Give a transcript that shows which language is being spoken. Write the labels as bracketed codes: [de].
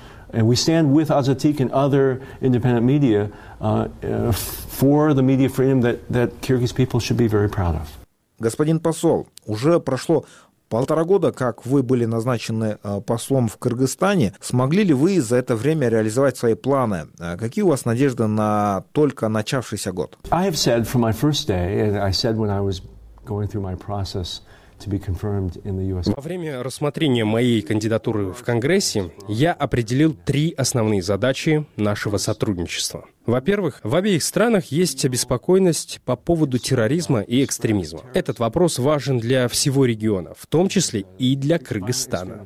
[en] And we stand with Azatik and other independent media for the media freedom that that Kyrgyz people should be very proud of. [ru] Господин посол, уже прошло полтора года, как вы были назначены послом в Кыргызстане. Смогли ли вы за это время реализовать свои планы? Какие у вас надежды на только начавшийся год? [en] I have said from my first day, and I said when I was going through my process. [ru] Во время рассмотрения моей кандидатуры в Конгрессе я определил три основные задачи нашего сотрудничества. Во-первых, в обеих странах есть обеспокоенность по поводу терроризма и экстремизма. Этот вопрос важен для всего региона, в том числе и для Кыргызстана.